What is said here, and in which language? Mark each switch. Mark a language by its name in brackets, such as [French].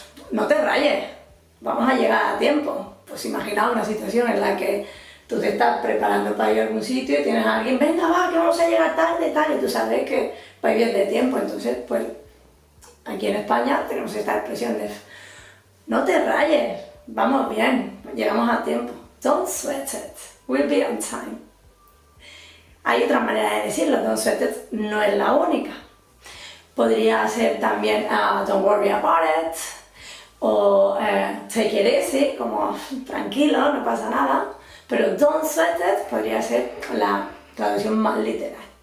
[Spanish] No te rayes, vamos a llegar a tiempo. Pues imaginaos una situación en la que tú te estás preparando para ir a algún sitio y tienes a alguien, venga va, que vamos a llegar tarde, tal, y tú sabes que va a ir bien de tiempo. Entonces, pues, aquí en España tenemos esta expresión de no te rayes, vamos bien, llegamos a tiempo. [English] Don't sweat it, we'll be on time. [Spanish] Hay otra manera de decirlo, [English] don't sweat it [Spanish] no es la única. Podría ser también [English] don't worry about it, [Spanish] o [English] take it easy, [Spanish] como tranquilo, no pasa nada. Pero [English] don't sweat it [Spanish] podría ser la traducción más literal.